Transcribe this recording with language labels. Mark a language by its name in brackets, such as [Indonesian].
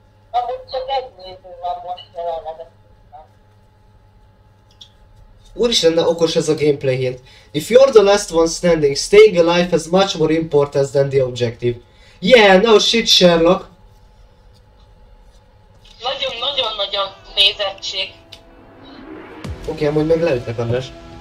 [Hungarian] Amúgy csak egy néző van most jelenleg. Úristen, de okos ez a gameplay hint. [English] If you're the last one standing, staying alive is much more important than the objective. Yeah, no shit, Sherlock! [Hungarian] Nagyon-nagyon-nagyon nézettség. Oké, okay, amúgy meg leütnek, András.